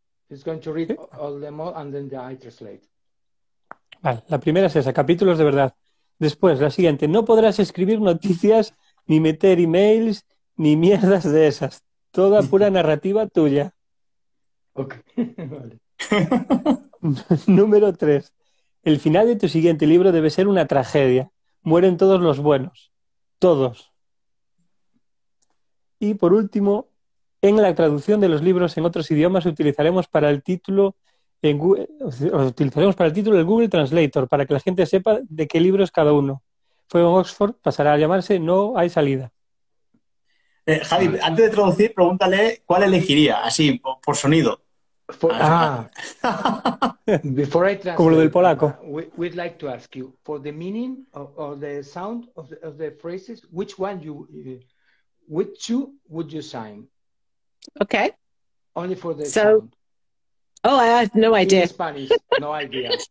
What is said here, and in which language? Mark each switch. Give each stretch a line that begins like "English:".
English: He's going to read all them all and then I translate.
Spanish: Vale, la primera es esa, capítulos de verdad. Después, la siguiente. No podrás escribir noticias, ni meter emails, ni mierdas de esas. Toda pura narrativa tuya. Ok, vale. Número tres. El final de tu siguiente libro debe ser una tragedia. Mueren todos los buenos. Todos. Y por último, en la traducción de los libros en otros idiomas utilizaremos para el título el Google Translator para que la gente sepa de qué libro es cada uno. Fuego en Oxford pasará a llamarse No hay salida. Javi, antes de traducir, pregúntale cuál elegiría, así, por sonido.
English: Before I translate,
Spanish: como lo del polaco.
English: We'd like to ask you for the meaning or the sound of the phrases, which one you which two would you sign? Okay. Only for the sound. Oh, I have no idea. In Spanish, no idea.